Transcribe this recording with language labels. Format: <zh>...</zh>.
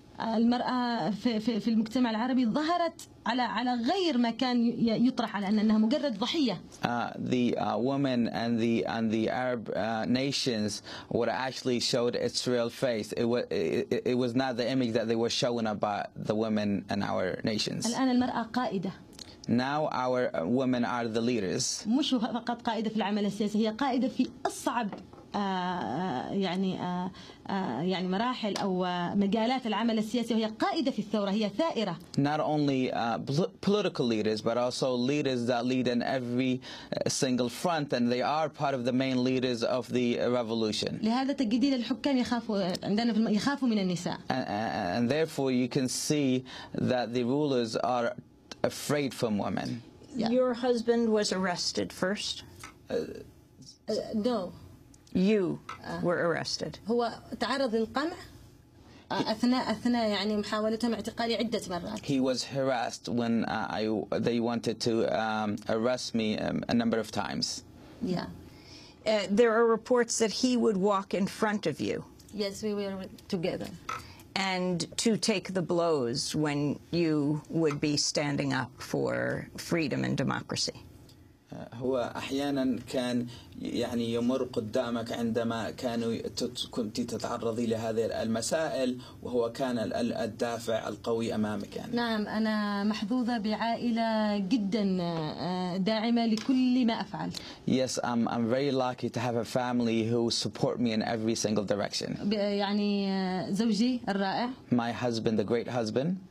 <ar>المرأة في المجتمع العربي ظهرت على غير ما كان يطرح على أنها مجرد ضحية.</ar> <en>The women and the Arab nations were actually showed its real face. It was not the image that they were showing about the women and our nations.</en> <ar>الآن المرأة قائدة.</ar> <en>Now our women are the leaders.</en> <ar>مش فقط قائدة في العمل السياسي هي قائدة في أصعب يعني مراحل أو مجالات العمل السياسي وهي قائدة في الثورة هي ثائرة.</ar> <en>Not only political leaders, but also leaders that lead in every single front, and they are part of the main leaders of the revolution.</en> <ar>لهذا تجدين الحكام يخافوا عندنا يخافوا من النساء.</ar> <en>And therefore, you can see that the rulers are afraid from women. Yeah. Your husband was arrested first. No. You were arrested.</en> <ar>هو تعرض للقمع. أثناء يعني محاولتهم اعتقالي عدة مرات.</ar> <en>He was harassed when they wanted to arrest me a number of times. Yeah. There are reports that he would walk in front of you. Yes, we were together. And to take the blows when you would be standing up for freedom and democracy.</en> <ar>هو احيانا كان يعني يمر قدامك عندما كانوا كنت تتعرضي لهذه المسائل وهو كان الدافع القوي امامك يعني. نعم انا محظوظه بعائله جدا داعمه لكل ما افعل.</ar> <en>Yes, I'm very lucky to have a family who support me in every single direction.</en> <ar>يعني زوجي الرائع.</ar> <en>My husband, the great husband.</en>